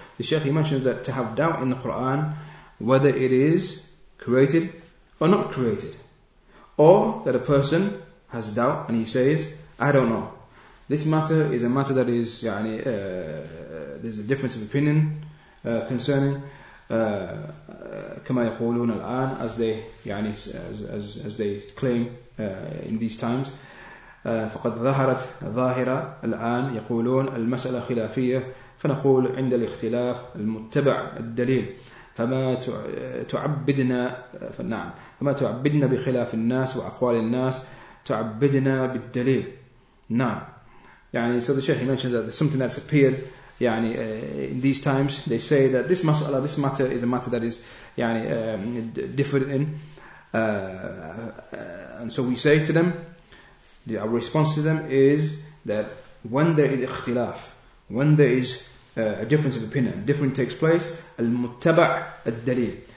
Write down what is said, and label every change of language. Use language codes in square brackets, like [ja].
[en] The Sheikh, he mentions that to have doubt in the Quran whether it is created or not created, or that a person has doubt and he says, I don't know. This matter is a matter that is, يعني, there's a difference of opinion concerning, [ar] كما يقولون الآن, [en] as they, يعني, as they claim in these times. [ar] فقد ظهرت ظاهرة الآن يقولون المسألة خلافية فنقول عند الاختلاف المتبع الدليل. فما تعبدنا فنعم فما تعبدنا بخلاف الناس وأقوال الناس تعبدنا بالدليل نعم. [en] يعني so the Sheikh mentions that there's something that's appeared يعني in these times. They say that this mas'ala, this matter is a matter that is يعني different in and so we say to them, our response to them is that when there is ikhtilaf, when there is a difference of opinion, different takes place, al-muttaba' al-dalil.